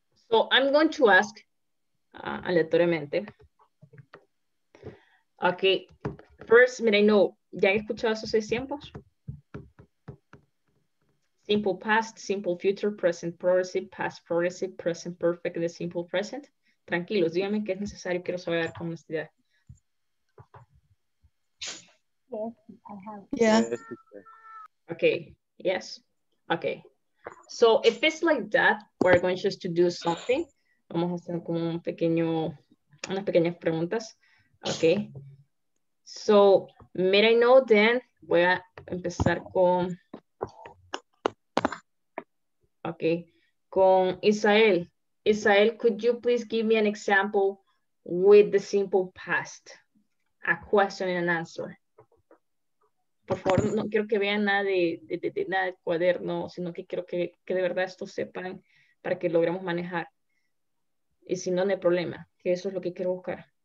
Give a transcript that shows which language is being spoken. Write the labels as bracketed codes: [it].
[en] So I'm going to ask aleatoriamente. Okay, first, may I know, [es] ¿ya han escuchado esos seis tiempos? [en] Simple past, simple future, present progressive, past progressive, present perfect, and the simple present. [es] Tranquilos, díganme qué es necesario, quiero saber cómo les diría. [en] Yeah. Okay, yes, okay. So if it's like that, we're going just to do something. [es] Vamos a hacer como un pequeño, unas pequeñas preguntas. [en] Okay. So, may I know then, [es] voy a empezar con, [en] okay, con Isael. Isael, could you please give me an example with the simple past? A question and an answer. [es] Por favor, no quiero que vean nada de nada de cuaderno, sino que quiero que de verdad esto sepan para que logremos manejar. Y si no, no hay problema, que eso es lo que quiero buscar.